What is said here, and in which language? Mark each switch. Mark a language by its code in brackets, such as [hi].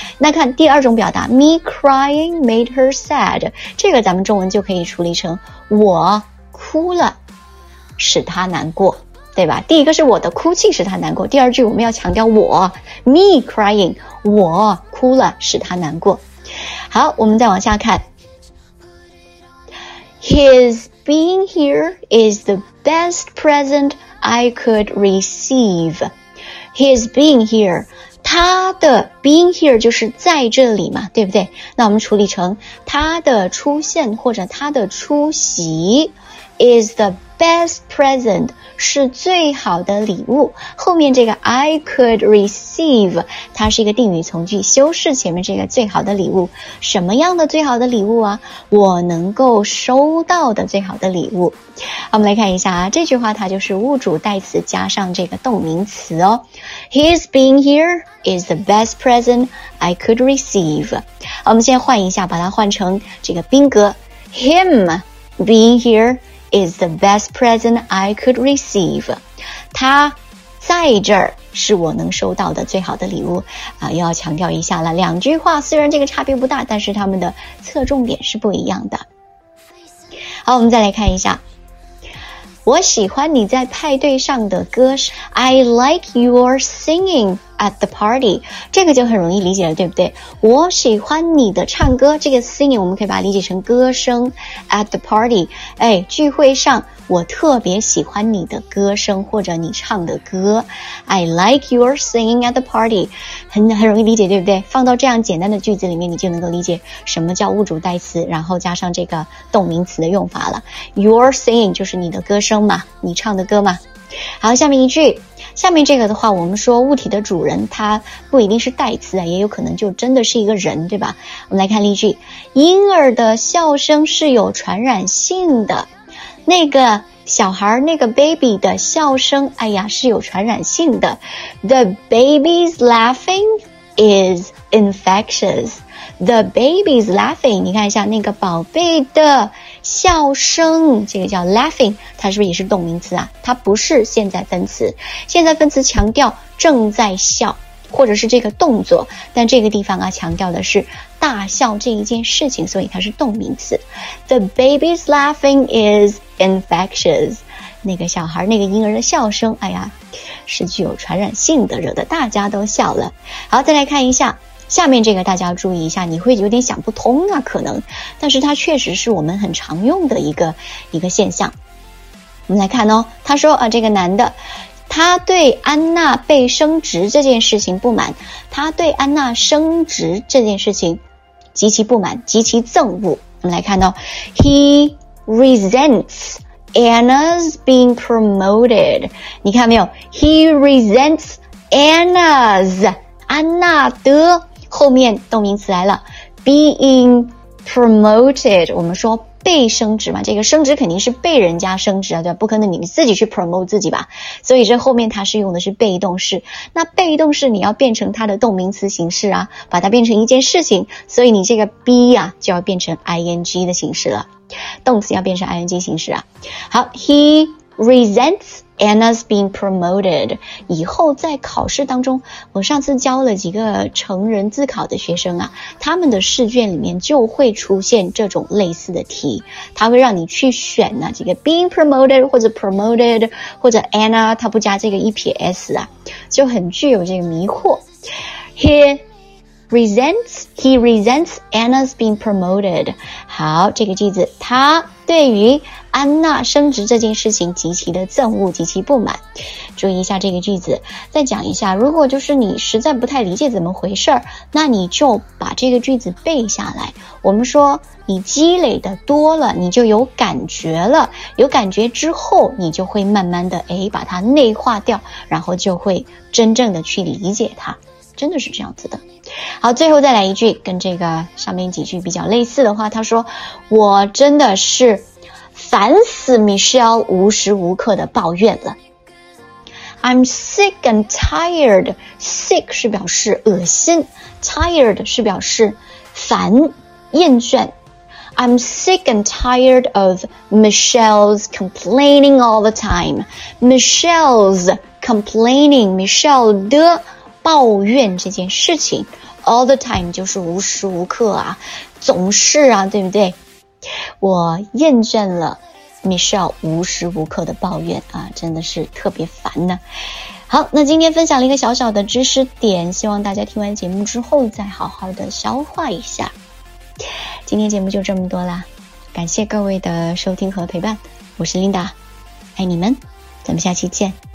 [zh] 那看第二种表达 [en] me crying made her sad， [zh] 这个咱们中文就可以处理成我哭了使他难过，对吧？第一个是我的哭泣使他难过，第二句我们要强调我 [en] me crying， [zh] 我哭了使他难过。好，我们再往下看。 [en] His being here is the best present I could receive. His being here， [zh] 他的 [en] being here [zh] 就是在这里嘛，对不对？那我们处理成他的出现或者他的出席。 [en] Is the best present， [zh] 是最好的礼物。后面这个 [en] I could receive， [zh] 它是一个定语从句，修饰前面这个最好的礼物。什么样的最好的礼物啊？我能够收到的最好的礼物。我们来看一下啊，这句话它就是物主代词加上这个动名词哦。 [en] His being here is the best present I could receive。 [zh] 我们先换一下，把它换成这个宾格。 [en] Him being here。 Is the best present I could receive. [zh] 他在这儿是我能收到的最好的礼物啊！又要强调一下了。两句话虽然这个差别不大，但是他们的侧重点是不一样的。好，我们再来看一下。我喜欢你在派对上的歌声。 [en] I like your singing at the party. [zh] 这个就很容易理解了，对不对？我喜欢你的唱歌，这个 singing 我们可以把它理解成歌声 [en] at the party. [zh] 哎，聚会上我特别喜欢你的歌声或者你唱的歌。 [en] I like your singing at the party. [zh] 很容易理解，对不对？放到这样简单的句子里面，你就能够理解什么叫物主代词，然后加上这个动名词的用法了。 [en] Your singing [zh] 就是你的歌声嘛，你唱的歌嘛。好，下面一句。下面这个的话，我们说物体的主人，它不一定是代词啊，也有可能就真的是一个人，对吧？我们来看例句。婴儿的笑声是有传染性的。那个小孩，那个 baby 的笑声，哎呀，是有传染性的。 [en] The baby's laughing is infectious. The baby's laughing， [zh] 你看一下那个宝贝的笑声，这个叫 laughing， 它是不是也是动名词啊？它不是现在分词，现在分词强调正在笑，或者是这个动作，但这个地方啊，强调的是大笑这一件事情，所以它是动名词。 [en] The baby's laughing is infectious， [zh] 那个小孩，那个婴儿的笑声，哎呀，是具有传染性的，惹得大家都笑了。好，再来看一下。下面这个大家要注意一下，你会有点想不通啊，可能，但是它确实是我们很常用的一个现象。我们来看哦，他说啊，这个男的，他对安娜被升职这件事情不满，他对安娜升职这件事情极其不满，极其憎恶。我们来看到 [en] ，He resents Anna's being promoted。 [zh] 你看没有 ？ [en] He resents Anna's [zh] 安娜的。后面动名词来了 ， [en] being promoted， [zh] 我们说被升职嘛，这个升职肯定是被人家升职啊，对吧？不可能你自己去 promote 自己吧？所以这后面它是用的是被动式，那被动式你要变成它的动名词形式啊，把它变成一件事情，所以你这个 be 啊就要变成 ing 的形式了，动词要变成 ing 形式啊。好 ， [en] he resents。Anna's being promoted， [zh] 以后在考试当中，我上次教了几个成人自考的学生啊，他们的试卷里面就会出现这种类似的题，他会让你去选呢、啊、这个 [en] being promoted [zh] 或者 promoted 或者 Anna， 他不加这个一撇 s 啊，就很具有这个迷惑。 [en] He resents Anna's being promoted。 [zh] 好，这个句子，他对于安娜升职这件事情极其的憎恶，极其不满。注意一下这个句子，再讲一下，如果就是你实在不太理解怎么回事，那你就把这个句子背下来。我们说你积累的多了，你就有感觉了，有感觉之后你就会慢慢的诶把它内化掉，然后就会真正的去理解它，真的是这样子的。好，最后再来一句跟这个上面几句比较类似的话，他说我真的是烦死 Michelle 无时无刻的抱怨了。 [en] I'm sick and tired， [zh] sick 是表示恶心， tired 是表示烦厌倦。 [en] I'm sick and tired of Michelle's complaining all the time， Michelle's complaining， Michelle [zh] 的抱怨这件事情， [en] all the time [zh] 就是无时无刻啊，总是啊，对不对？我厌倦了 Michelle 无时无刻的抱怨啊，真的是特别烦呢。好，那今天分享了一个小小的知识点，希望大家听完节目之后再好好的消化一下。今天节目就这么多啦，感谢各位的收听和陪伴，我是 Linda， 爱你们，咱们下期见。